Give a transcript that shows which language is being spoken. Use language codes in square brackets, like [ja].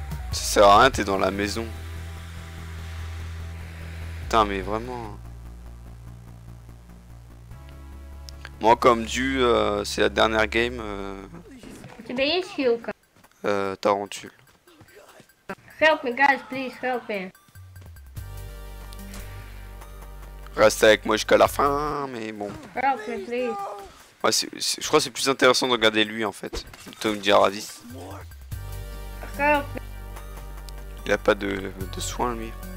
[fr] Ça sert à rien, t'es dans la maison. Putain, mais vraiment. Moi, comme dû, c'est la dernière game. Tu veux ici ou quoi? Tarantule. [en] Help me, guys, please, help me. [fr] Reste avec moi jusqu'à la fin, mais bon. [en] Help me, please. [fr] Ouais, je crois que c'est plus intéressant de regarder lui en fait. Tom Diaravis. [en] Help me. [fr] Il a pas de soins lui.